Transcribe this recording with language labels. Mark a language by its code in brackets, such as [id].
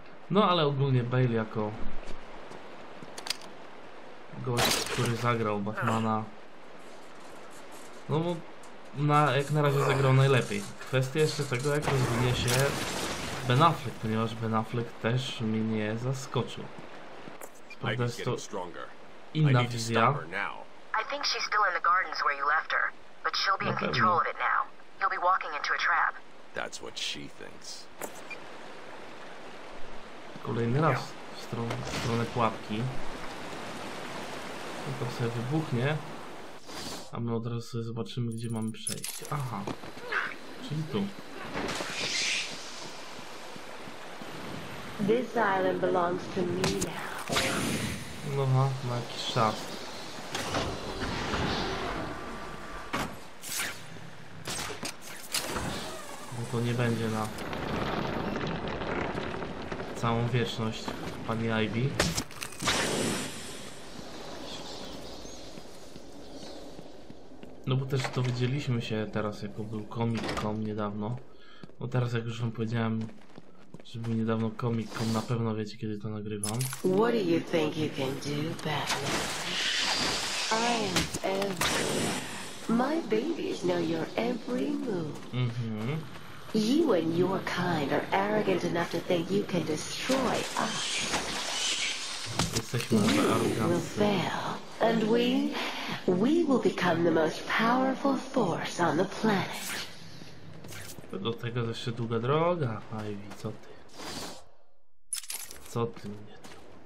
[pl] No ale ogólnie Bale jako gość, który zagrał Batmana, no bo jak na razie zagrał najlepiej. Kwestia jeszcze tego, jak rozwinie się Ben Affleck, ponieważ Ben Affleck też mnie zaskoczył. Sprawda jest to inna wizja. [en] I think she's still in the gardens where you left her, but she'll be in control of it now. You'll be walking into a trap. That's what she thinks. [pl] Kolejny raz w stronę pułapki. To sobie wybuchnie. A my od razu sobie zobaczymy, gdzie mamy przejść. Aha. Czyli tu. [en] This island belongs to me now. [pl] Aha, ma jakiś szaf. Bo to nie będzie na całą wieczność pani Ivy. No bo też dowiedzieliśmy się teraz, jako był Comic-Con niedawno. Bo teraz, jak już wam powiedziałem, że był niedawno Comic-Con, na pewno wiecie, kiedy to nagrywam. [en] What do you think you can do, Batman? I am everywhere. My babies know your every move. Mhm. You and your kind are arrogant enough to think you can destroy us. [pl] Jesteśmy arrogancy. [en] You will fail. And we will become the most powerful force on the planet. [pl] Do tego jeszcze długa droga, Ivy, co ty? Co ty mnie tu?